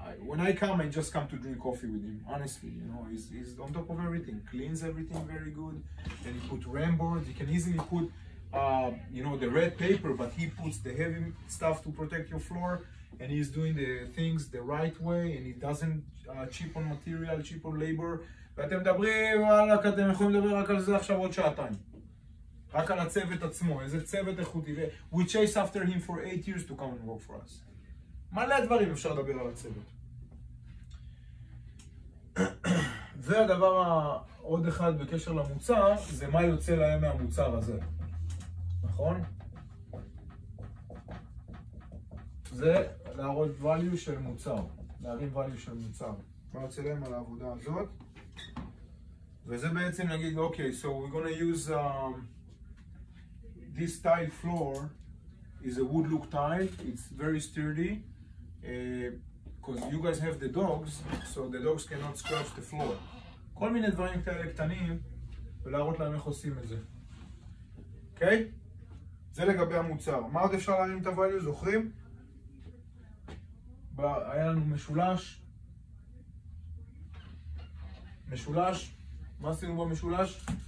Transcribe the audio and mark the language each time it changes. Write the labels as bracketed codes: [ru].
[en] When I come, I just come to drink coffee with him. Honestly, you know, he's on top of everything, cleans everything very good. Then he put ram boards. He can easily put, you know, the red paper, but he puts the heavy stuff to protect your floor. And he's doing the things the right way, and he doesn't cheap on material, cheap on labor. [he] ואתם מדברים, וואלק, אתם יכולים לדבר רק על זה עכשיו עוד שעתיים. רק על הצוות עצמו, איזה צוות איכותי. [en] We chase after him for 8 years to come and work for us. [he] מלא דברים אפשר לדבר על הצוות. זה הדבר העוד אחד בקשר למוצר, זה מה יוצא להם מהמוצר הזה. נכון? זה להראות value של מוצר, להרים value של מוצר. מה יוצא להם על העבודה הזאת? וזה בעצם נגיד, אוקיי, [en] so we're gonna use this tile floor is a wood look tile, it's very sturdy because you guys have the dogs, so the dogs cannot scratch the floor. [he] כל מיני דברים כאלה קטנים ולהראות להם איך עושים את זה. אוקיי? זה לגבי המוצר. מה עוד אפשר להרים את הvalue, זוכרים? היה לנו משולש. משולש. מה עשינו במשולש?